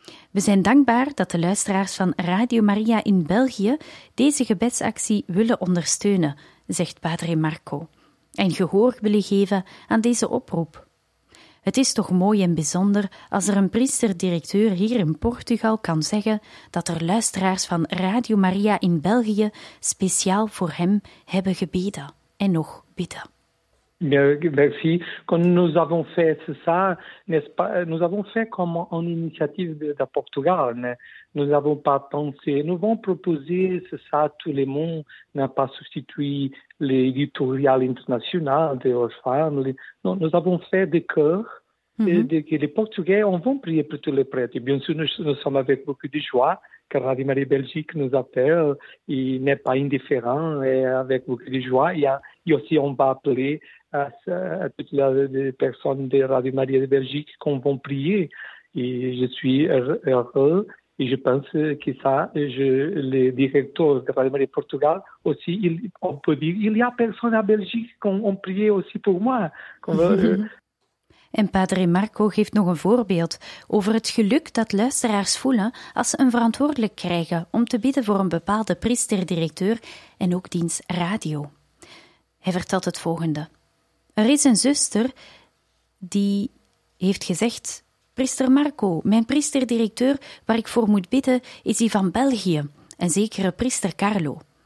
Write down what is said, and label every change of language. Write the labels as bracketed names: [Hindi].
[Dutch] We zijn dankbaar dat de luisteraars van Radio Maria in België deze gebedsactie willen ondersteunen, zegt Padre Marco, en gehoor willen geven aan deze oproep. Het is toch mooi en bijzonder als er een priesterdirecteur hier in Portugal kan zeggen dat er luisteraars van Radio Maria in België speciaal voor hem hebben gebeden en nog bidden. [French] Merci. Quand nous avons fait ça, n'est-ce pas, nous avons fait comme une initiative de Portugal. Nous n'avons pas pensé, nous avons proposé ça à tout le monde, n'a pas substitué l'éditorial international de Our Family. Non, nous avons fait de cœur, que les Portugais, on va prier pour tous les prêtres. Et bien sûr, nous sommes avec beaucoup de joie, car Radio Maria Belgique nous appelle, il n'est pas indifférent, et avec beaucoup de joie. Et aussi, on va appeler à toutes les personnes de Radio Maria de Belgique qu'on va prier. Et je suis heureux et je pense que ça, le directeur de Radio Maria Portugal aussi, on peut dire qu'il y a personne en Belgique qu'on va prier aussi pour moi. [Dutch] En Padre Marco geeft nog een voorbeeld over het geluk dat luisteraars voelen als ze een verantwoordelijk krijgen om te bidden voor een bepaalde priester-directeur en ook diens radio. Hij vertelt het volgende. Er is een zuster die heeft gezegd, priester Marco, mijn priester-directeur waar ik voor moet bidden is die van België, een zekere priester Carlo.